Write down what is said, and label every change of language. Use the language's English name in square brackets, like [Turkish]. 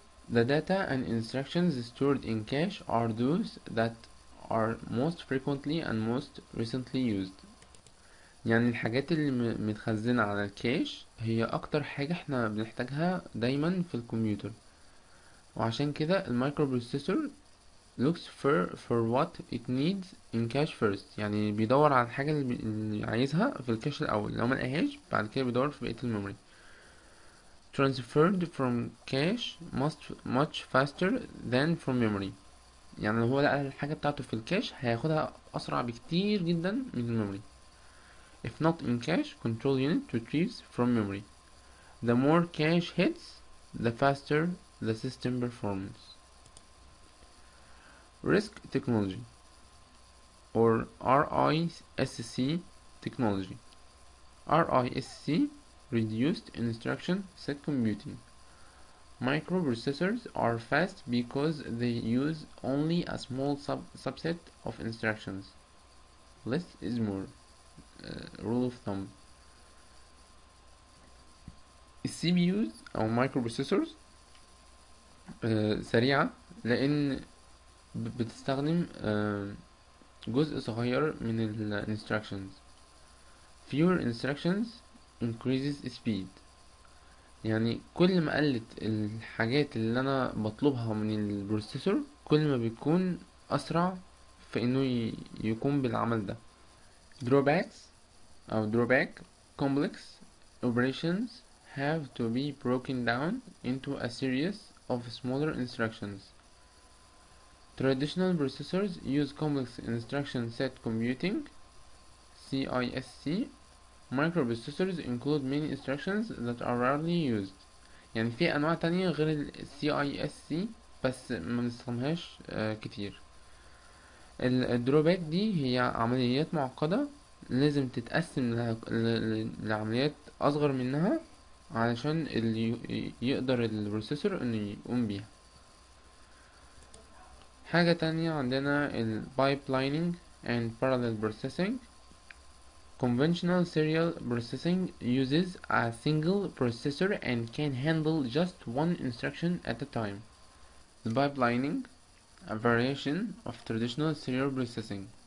[English] The data and instructions stored in cache are those that are most frequently and most recently used. [Arabic] يعني الحاجات اللي متخزنة على الكاش هي أكتر حاجة احنا بنحتاجها دايما في الكمبيوتر وعشان كده المايكروبروسيسور [English] looks for what it needs in cache first. [Arabic] يعني بيدور على الحاجة اللي عايزها في الكاش الأول لو ملقاهاش بعد كده بيدور في بقية الميموري. [English] Transferred from cache much faster than from memory. [Arabic] يعني هو لقى الحاجة بتاعته في الكاش هياخدها أسرع بكتير جدا من الميموري. [English] If not in cache, control unit retrieves from memory. The more cache hits, the faster the system performs. RISC technology or RISC technology. RISC Reduced Instruction Set Computing. Microprocessors are fast because they use only a small subset of instructions. Less is more. Rule of thumb. [Arabic] CPUs أو microprocessors سريعة لأن بتستخدم جزء صغير من ال instructions. [English] Fewer instructions increases speed. [Arabic] يعني كل ما قلت الحاجات اللي انا بطلبها من البروسيسور كل ما بيكون اسرع في انه يقوم بالعمل ده. [English] Drawbacks او drawback complex operations have to be broken down into a series of smaller instructions. Traditional processors use complex instruction set computing CISC. Microprocessors include many instructions that are rarely used. [Arabic] يعني في انواع تانية غير ال CISC بس ما بنستخدمهاش كتير. ال drawback دي هي عمليات معقدة لازم تتقسم لعمليات اصغر منها علشان اللي يقدر البروسيسور انه يقوم بيها. حاجة تانية عندنا ال [English] pipelining and parallel processing. Conventional serial processing uses a single processor and can handle just one instruction at a time. The pipelining, a variation of traditional serial processing.